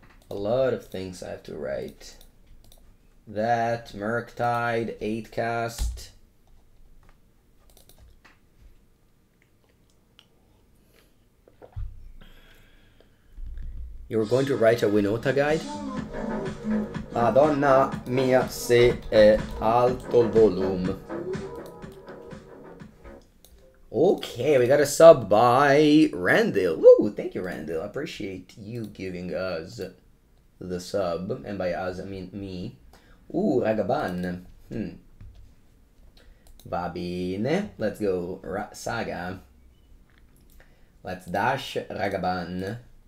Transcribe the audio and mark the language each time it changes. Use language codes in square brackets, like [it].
[en] A lot of things I have to write. That, Murktide, 8 cast. You're going to write a Winota guide? [it] Madonna mia, se è alto il volume. [en] Okay, we got a sub by Randall. Ooh, thank you, Randall. I appreciate you giving us the sub, and by us, I mean me. Ooh, Ragavan. [it] Va bene. [en] Let's go, Saga. Let's dash Ragavan.